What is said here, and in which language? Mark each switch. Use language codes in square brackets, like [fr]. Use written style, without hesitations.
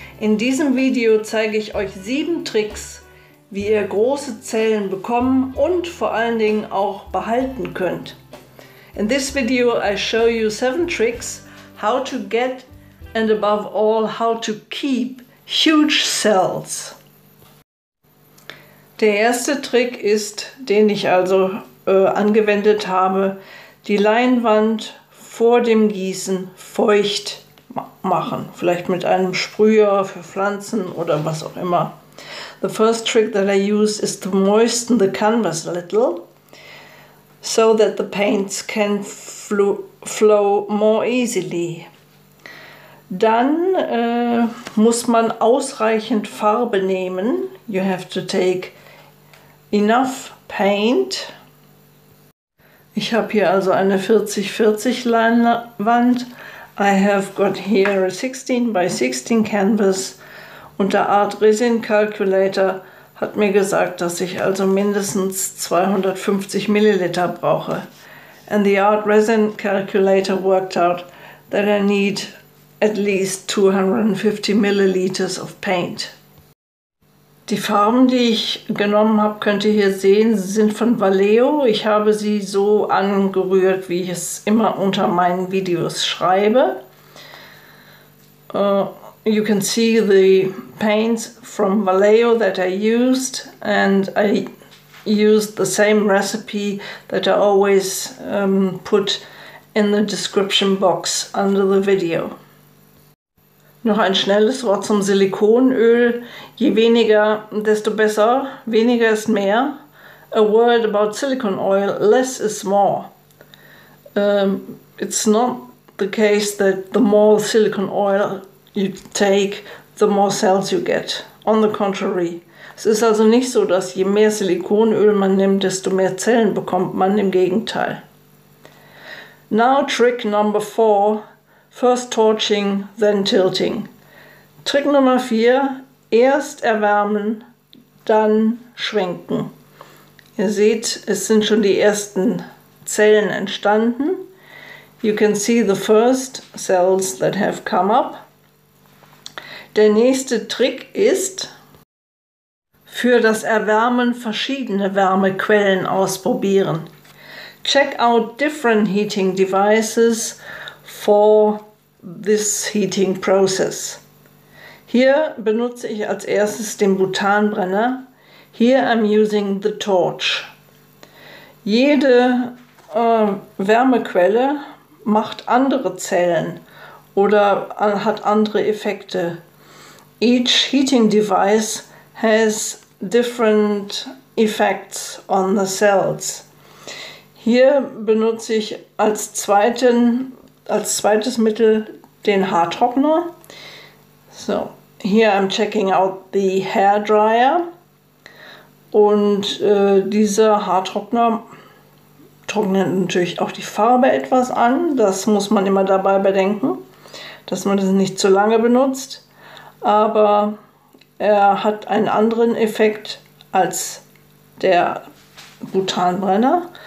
[de] In diesem Video zeige ich euch 7 Tricks, wie ihr große Zellen bekommen und vor allen Dingen auch behalten könnt. [en] In this video I show you 7 tricks how to get and above all how to keep huge cells. [de] Der erste Trick ist, den ich also angewendet habe, die Leinwand vor dem Gießen feucht machen. Vielleicht mit einem Sprüher für Pflanzen oder was auch immer. [en] The first trick that I use is to moisten the canvas a little so that the paints can flow more easily. [de] Dann muss man ausreichend Farbe nehmen. [en] You have to take enough paint. [de] Ich habe hier also eine 40-40 Leinwand. [en] I have got here a 16x16 canvas. [de] Und der Art Resin Calculator hat mir gesagt, dass ich also mindestens 250 Milliliter brauche. [en] And the Art Resin Calculator worked out that I need at least 250 milliliters of paint. [de] Die Farben, die ich genommen habe, könnt ihr hier sehen, sind von Vallejo. Ich habe sie so angerührt, wie ich es immer unter meinen Videos schreibe. [en] You can see the paints from Vallejo that I used, and I used the same recipe that I always put in the description box under the video. [de] Noch ein schnelles Wort zum Silikonöl. Je weniger, desto besser. Weniger ist mehr. [en] A word about silicone oil. Less is more. It's not the case that the more silicone oil you take, the more cells you get. On the contrary. [de] Es ist also nicht so, dass je mehr Silikonöl man nimmt, desto mehr Zellen bekommt man. Im Gegenteil. [en] Now trick number 4. First torching, then tilting. [de] Trick Nummer 4. Erst erwärmen, dann schwenken. Ihr seht, es sind schon die ersten Zellen entstanden. [en] You can see the first cells that have come up. [de] Der nächste Trick ist, für das Erwärmen verschiedene Wärmequellen ausprobieren. [en] Check out different heating devices for this heating process. [de] Hier benutze ich als erstes den Butanbrenner. [en] Here I'm using the torch. [de] Jede Wärmequelle macht andere Zellen oder hat andere Effekte. [en] Each heating device has different effects on the cells. [de] Hier benutze ich als zweites Mittel den Haartrockner. [en] So, here I'm checking out the hair dryer. [de] Und dieser Haartrockner trocknet natürlich auch die Farbe etwas an. Das muss man immer dabei bedenken, dass man das nicht zu lange benutzt. Aber er hat einen anderen Effekt als der Butanbrenner.